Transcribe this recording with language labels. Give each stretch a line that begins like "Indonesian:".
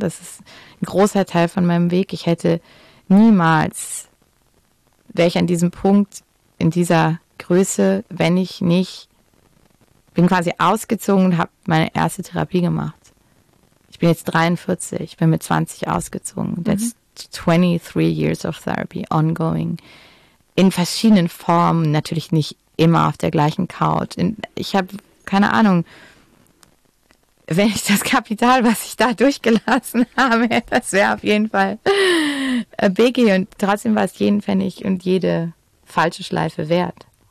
German: Das ist ein großer Teil von meinem Weg. Ich hätte niemals, wäre ich an diesem Punkt in dieser Größe, wenn ich nicht, bin quasi ausgezogen und habe meine erste Therapie gemacht. Ich bin jetzt 43, bin mit 20 ausgezogen.
English: That's 23 years of therapy, ongoing.
German: In verschiedenen Formen, natürlich nicht immer auf der gleichen Couch. Ich habe keine Ahnung, wenn ich das Kapital, was ich da durchgelassen habe, das wäre auf jeden Fall Biggie. Und trotzdem war es jeden Pfennig und jede falsche Schleife wert.